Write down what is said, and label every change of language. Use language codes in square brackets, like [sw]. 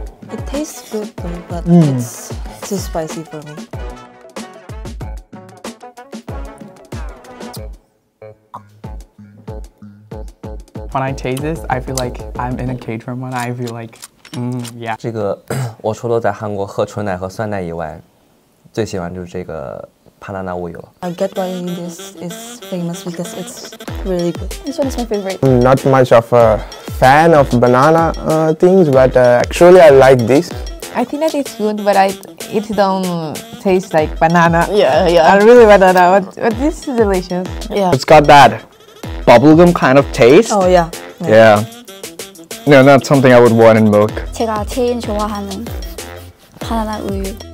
[en] It tastes good though, but it's too spicy for me. When I taste this, I feel like I'm in a K-drama and I feel like, yeah. [zh] 这个, 我除了在韩国喝纯奶和酸奶以外,最喜欢就是这个... [en] I get why this is famous because it's really good. This one is my favorite. I'm not much of a fan of banana things, but actually I like this. I think that it's good, but it don't taste like banana. Yeah. I really banana, but this is delicious. Yeah. It's got that bubblegum kind of taste. Oh yeah. Yeah. No, not something I would want in milk. [ko] 제가 제일 좋아하는 바나나 우유.